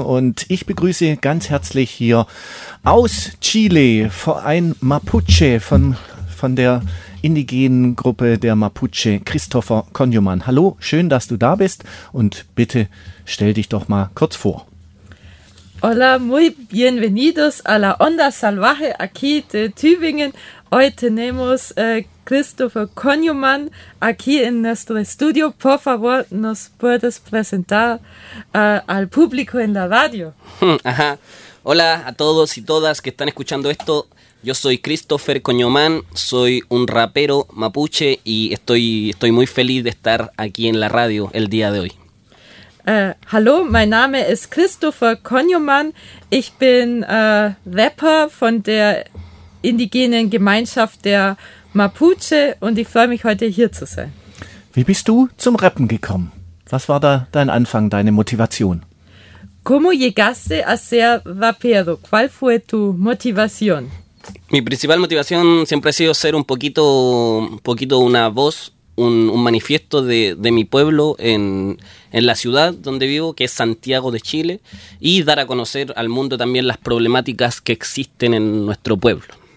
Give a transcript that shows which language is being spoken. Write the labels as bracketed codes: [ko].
[de] Und ich begrüße ganz herzlich hier aus Chile ein Mapuche von der indigenen Gruppe der Mapuche, Christopher Konjumann. Hallo, schön, dass du da bist. Und bitte stell dich doch mal kurz vor. [es] Hola, muy bienvenidos a la onda salvaje aquí de Tübingen. Hoy tenemos Christopher Konjumann aquí en nuestro estudio. Por favor, nos puedes presentar al público en la radio. Ajá. Hola a todos y todas que están escuchando esto. Yo soy Christopher Konjumann, soy un rapero mapuche y estoy muy feliz de estar aquí en la radio el día de hoy. [de] Hallo, mein Name ist Christopher Konjumann. Ich bin Rapper von der indigenen Gemeinschaft der Mapuche und ich freue mich heute hier zu sein. Wie bist du zum Rappen gekommen? Was war da dein Anfang, deine Motivation? [es] ¿Cómo llegaste a ser rapero? ¿Cuál fue tu motivación? Mi principal motivación siempre ha sido ser un poquito una voz, un manifiesto de mi pueblo en la ciudad donde vivo, que es Santiago de Chile, y dar a conocer al mundo también las problemáticas que existen en nuestro pueblo.